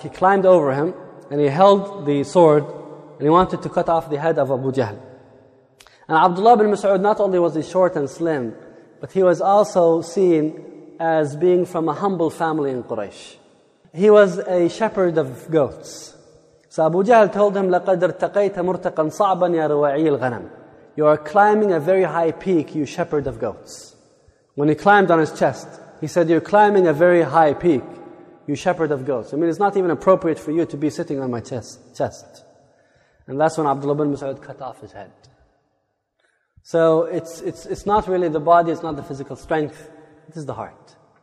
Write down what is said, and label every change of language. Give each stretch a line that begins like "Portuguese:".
English: He climbed over him and he held the sword and he wanted to cut off the head of Abu Jahl. And Abdullah ibn Mas'ud, not only was he short and slim, but he was also seen as being from a humble family in Quraysh. He was a shepherd of goats. So Abu Jahl told him,
Arabic: لَقَدْ ارْتَقَيْتَ مُرْتَقًا صَعْبًا يَا رُوَعِيِّ الْغَنَمِ.
English: You are climbing a very high peak, you shepherd of goats. When he climbed on his chest, he said, you're climbing a very high peak, you shepherd of goats. I mean, it's not even appropriate for you to be sitting on my chest. And that's when Abdullah ibn Mas'ud cut off his head. So it's not really the body, it's not the physical strength, it is the heart.